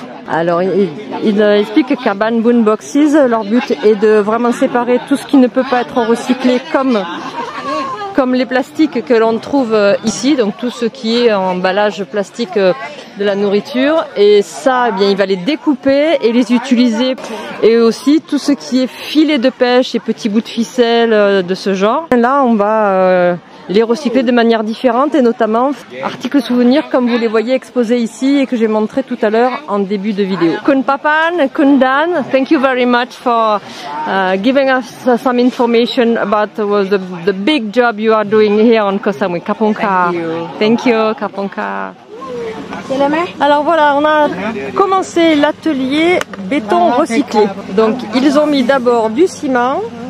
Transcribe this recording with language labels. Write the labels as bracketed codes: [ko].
[fr] Alors, il explique qu'à Bamboo Boxes, leur but est de vraiment séparer tout ce qui ne peut pas être recyclé comme les plastiques que l'on trouve ici, donc tout ce qui est emballage plastique de la nourriture, et ça, eh bien, il va les découper et les utiliser, et aussi tout ce qui est filet de pêche et petits bouts de ficelle de ce genre. Là, on va les recycler de manière différente, et notamment articles souvenirs comme vous les voyez exposés ici et que j'ai montré tout à l'heure en début de vidéo. [en] Kunpapan, Kundan, thank you very much for giving us some information about the big job you are doing here on Koh Samui. Kapongka. Thank you, Kapongka. [fr] Alors voilà, on a commencé l'atelier béton recyclé. Donc ils ont mis d'abord du ciment.